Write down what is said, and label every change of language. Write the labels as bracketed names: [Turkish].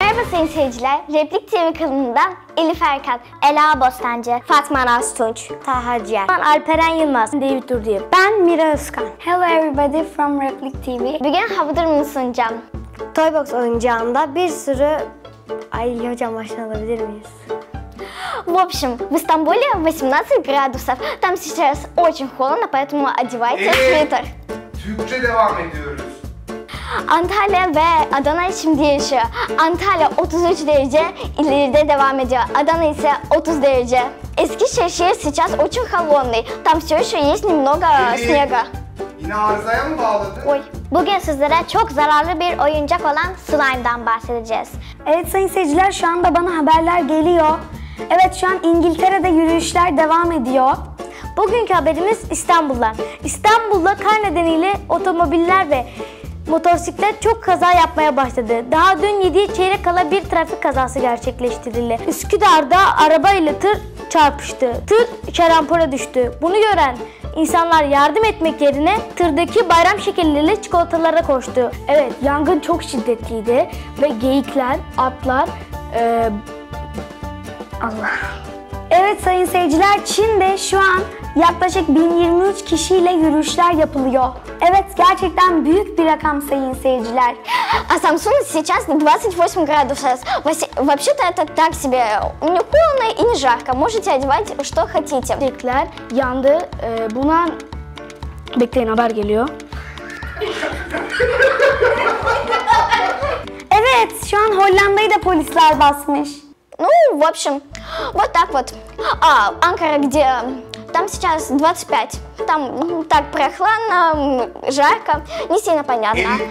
[Turkish] sayın seyirciler, Replik TV kanalından Elif Erkan, Ela Bostancı, Fatma Rastunç, Taha Ciğer, ben Alperen Yılmaz, David Durdiyev, ben Mira Özkan. [English] Hello everybody from Replik TV. [Turkish] Bugün hava durumunu sunacağım. Toybox oyuncağında bir sürü... Ay hocam başlanabilir miyiz? [Russian] В общем, в Стамбуле 18 градусов. Там сейчас очень холодно, поэтому одевайте свитер. [Turkish] Türkçe devam ediyoruz. Antalya ve Adana şimdi yaşıyor. Antalya 33 derece ileride devam ediyor. Adana ise 30 derece. [Russian] Eskişehir şehir сейчас очень холодный. Там все еще есть немного снега. [Turkish] Yine arızaya mı bağladın? Oy. Bugün sizlere çok zararlı bir oyuncak olan slime'dan bahsedeceğiz. Evet sayın seyirciler, şu anda bana haberler geliyor. Evet, şu an İngiltere'de yürüyüşler devam ediyor. Bugünkü haberimiz İstanbul'dan. İstanbul'da kar nedeniyle otomobiller ve motosiklet çok kaza yapmaya başladı. Daha dün 7'ye çeyrek kala bir trafik kazası gerçekleştirildi. Üsküdar'da araba ile tır çarpıştı. Tır şarampole düştü. Bunu gören insanlar yardım etmek yerine tırdaki bayram şekerleri çikolatalara koştu. Evet, yangın çok şiddetliydi ve geyikler, atlar... Allah. Evet sayın seyirciler, Çin'de şu an yaklaşık 1023 kişiyle yürüyüşler yapılıyor. Evet, gerçekten büyük bir rakam sayın seyirciler. [Russian] А Samsung сейчас 28 градусов. Вообще-то это так себе. У него холодно и не жарко. Можете одевать что хотите. [Turkish] Бекler yandı. Buna bekleyin, haber geliyor. Evet, şu an Hollanda'yı da polisler basmış. [Russian] Ну, в общем, вот так вот. А, Ankara, где там сейчас 25. Там так прохладно, жарко, не сильно понятно.